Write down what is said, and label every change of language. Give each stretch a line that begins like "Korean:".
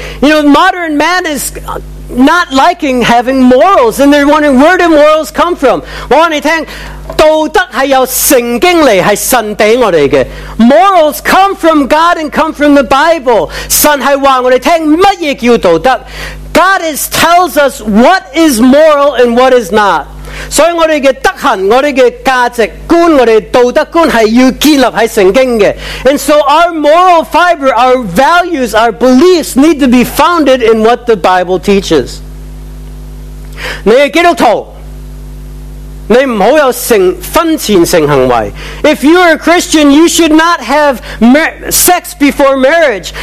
English: You know, modern man is not liking having morals, and they're wondering, where do morals come from?
Chinese: 我告诉你, 道德是由圣经来,是神给我们的.
English: Morals come from God and come from the Bible.
Chinese: 神是告诉我们什么叫道德.
English: God tells us what is moral and what is not.
Chinese: 所以我们的德行,我们的价值观,我们的道德观是要建立在圣经的.
English: And so our moral fiber, our values, our beliefs need to be founded in what the Bible teaches.
Chinese: 你是基督徒, 你不要有分前性行为.
English: If you are a Christian, you should not have sex before marriage.